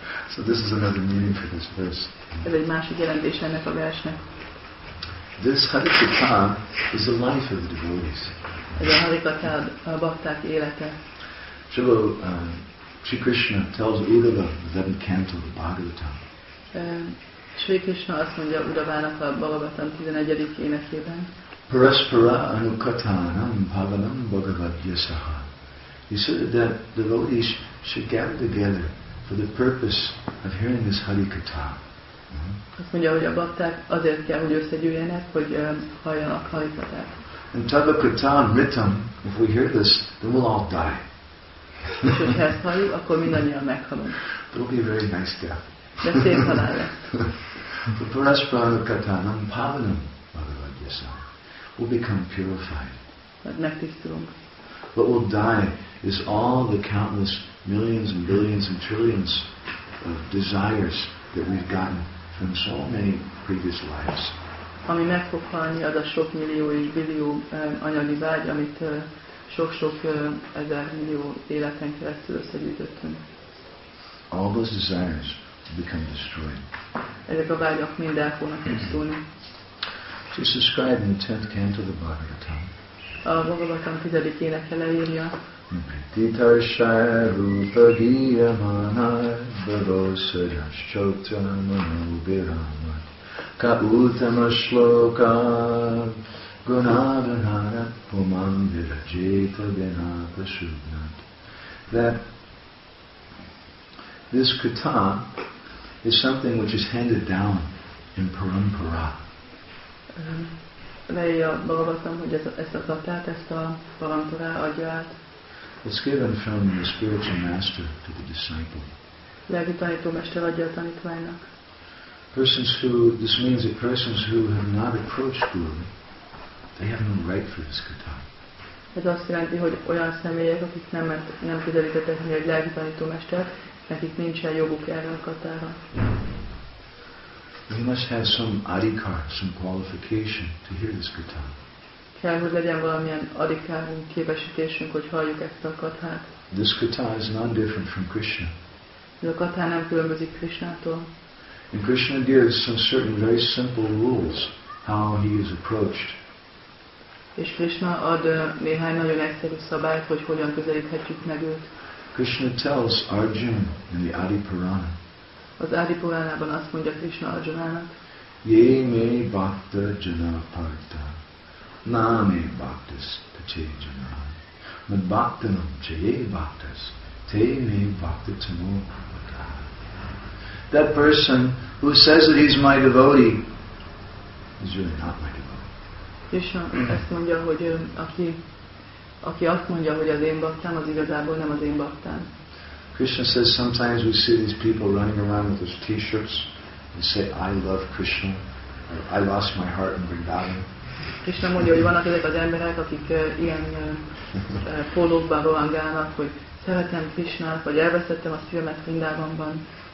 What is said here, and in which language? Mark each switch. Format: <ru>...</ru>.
<en>So this is another meaning for this verse.</en> <hu>Ez egy másik jelentés ennek a versnek.</hu> <en>This harikata is the life of the devotees.</en> <hu>Ez a harikata a bhakták élete.</hu> <en>Srila Sri Krishna tells Uddhava the 7th canto of the Bhagavatam.</en> <hu>Sri Krishna azt mondja Uddhavának a Bhagavatam 11. énekében.</hu> <sa>Paraspara anukatanam bhavanam bhagavadyasaha.</sa> <en>He said that the devotees should gather together for the purpose of hearing this harikata.</en> <hu>Azt mondja, hogy a bakták azért kell, hogy összegyűjjenek, hogy halljanak halitatát.</hu> <en>And</en> <sa>tabakatam mitam,</sa> <en>if we hear this, then we'll all die.</en> <hu>És hogyha ezt halljuk, akkor mindannyian meghalunk.</hu> <en>It'll be a very nice death.</en> <hu>De szép halál lesz.</hu> <sa>Puraspanakatanam pavanam, Bhagavad-gyasam.</sa> <en>We'll become purified.</en> <hu>Mert megtisztulunk.</hu> <en>What will die is all the countless millions and billions and trillions of desires that we've gotten from so many previous lives.</en> <hu>Ami meg fog halni, az a sok millió és billió anyagi vágy, amit sok-sok ezer millió életen keresztül összegyűjtöttünk.</hu> <en>All those desires will become destroyed.</en> <hu>Ezek a vágyak mind el fognak pusztulni.</hu> <en>Just described in the 10th canto of the Bhagavatam.</en> <hu>A Bhagavatam 10. éneke leírja.</hu> <sa>Titarsai rupa diya manar bhagosa jashchotra manubirama ka utama shloka gunavanara puman virajeta vinata shubnat.</sa> <en>That this kata is something which is handed down in parampara.</en> <hu>Leírja a Bhagavatam, hogy ezt a katát, ezt a parampara adja át.</hu> <en>It's given from the spiritual master to the disciple.</en> <hu>Lelki tanító mester adja a tanítványnak.</hu> <en>This means that persons who have not approached Guru, they have no right for this kata.</en> <hu>Ez azt jelenti, hogy olyan személyek, akik nem közelítettek meg egy lelki tanító mestert, nekik nincsen joguk erre a katára.</hu> <en>You must have some adhikar, some qualification to hear this kata.</en> <hu>Kell, hogy legyen valamilyen adikárunk, képesítésünk, hogy halljuk ezt a kathát.</hu> <en>This kata is none different from Krishna.</en> <hu>Ez a kathá nem különbözik Krishnától.</hu> <en>And Krishna gives some certain very simple rules how he is approached.</en> <hu>És Krishna ad néhány nagyon egyszerű szabályt, hogy hogyan közelíthetjük meg őt.</hu> <en>Krishna tells Arjuna in the Adi Purana.</en> <hu>Az Adi Puranában azt mondja Krishna Arjunának.</hu> <sa>Ye me bhakta jana parta. Nami bhaktas tache janam. Mad bhaktanam chaye bhaktas. Te me bhaktatamo bhaktas.</sa> <en>That person who says that he's my devotee is really not my devotee.</en> <hu>Krishna azt mondja, hogy aki azt mondja, hogy az én bhaktam, az igazából nem az én bhaktam.</hu> <en>Krishna says sometimes we see these people running around with those t-shirts and say, I love Krishna. Or, I lost my heart in Vrindavan.</en> <hu>Krishna mondja, hogy vannak ezek az emberek, akik ilyen pólókban rohangálnak, hogy szeretem Krishnát, vagy elvesztettem a szívemet Vrindavanban.</hu>